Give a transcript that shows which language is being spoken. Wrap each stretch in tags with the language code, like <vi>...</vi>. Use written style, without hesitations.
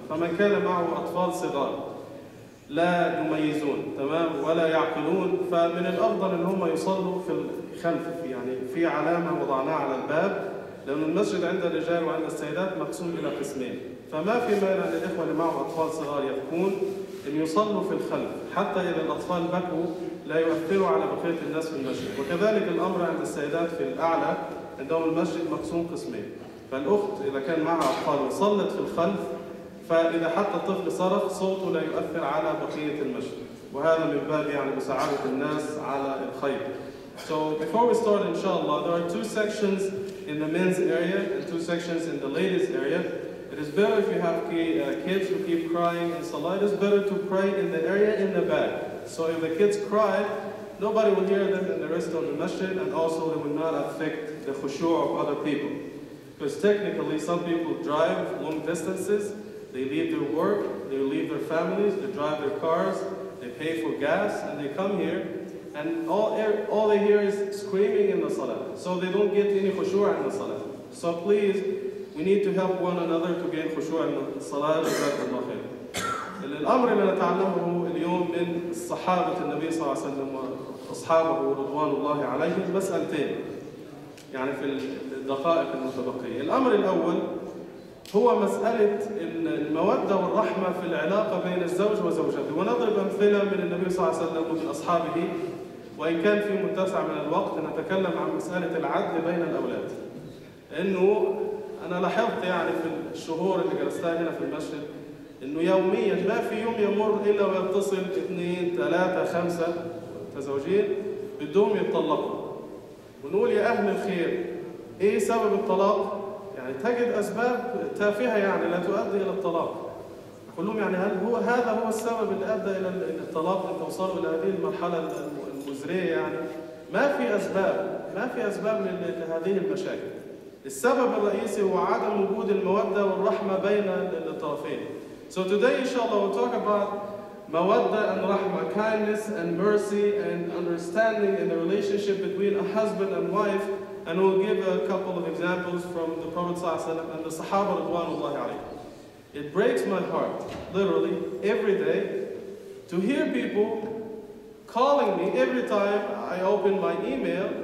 <ar>فمن كان معه أطفال صغار لا يميزون، تمام، ولا يعقلون، فمن الأفضل إن هم يصلوا في الخلف، يعني في علامة وضعناها على الباب، لأن المسجد عند الرجال وعند السيدات مقسوم إلى قسمين، فما في مانع للإخوة اللي معه أطفال صغار يبكون إن يصلوا في الخلف، حتى إذا الأطفال بكوا لا يؤثروا على بقية الناس في المسجد. وكذلك الأمر عند السيدات في الأعلى، عندهم المسجد مقسوم قسمين، فالأخت إذا كان معها أطفال وصلت في الخلف، فإذا حتى الطفل صرخ صوته لا يؤثر على بقية المسجد، وهذا من باب يعني مساعدة الناس على الخير.</ar> <en>So before we start, inshallah, there are two sections in the men's area and two sections in the ladies' area. It is better if you have kids who keep crying in salah, it is better to pray in the area in the back. So if the kids cry, nobody will hear them in the rest of the masjid, and also they will not affect the khushu' of other people. Because technically, some people drive long distances, they leave their work, they leave their families, they drive their cars, they pay for gas, and they come here, and all they hear is screaming in the salah. So they don't get any khushu' in the salah. So please, we need to help one another to gain khushu' in the salah. Jazakallahu khair.</en> <ar>الأمر اللي نتعلمه اليوم من صحابة النبي صلى الله عليه وسلم وأصحابه رضوان الله عليهم مسألتين، يعني في الدقائق المتبقية. الأمر الأول هو مسألة المودة والرحمة في العلاقة بين الزوج وزوجته، ونضرب أمثلة من النبي صلى الله عليه وسلم ومن أصحابه، وإن كان في متسع من الوقت نتكلم عن مسألة العدل بين الأولاد. إنه أنا لاحظت يعني في الشهور اللي جلستها هنا في المسجد إنه يومياً ما في يوم يمر إلا ويتصل اثنين ثلاثة خمسة تزوجين بدهم يتطلقوا، ونقول يا أهل الخير إيه سبب الطلاق؟ يعني تجد أسباب تافهة يعني لا تؤدي إلى الطلاق. كلهم يعني هل هو هذا هو السبب اللي أدى إلى الطلاق أن توصلوا إلى هذه المرحلة المزرية؟ يعني ما في أسباب لهذه المشاكل. السبب الرئيسي هو عدم وجود المودة والرحمة بين الطرفين.</ar> <en>So today, inshallah, we'll talk about mawadda and rahma, kindness and mercy and understanding in the relationship between a husband and wife. And we'll give a couple of examples from the Prophet ﷺ and the Sahaba radhiyallahu anhum. It breaks my heart, literally, every day, to hear people calling me every time I open my email.</en>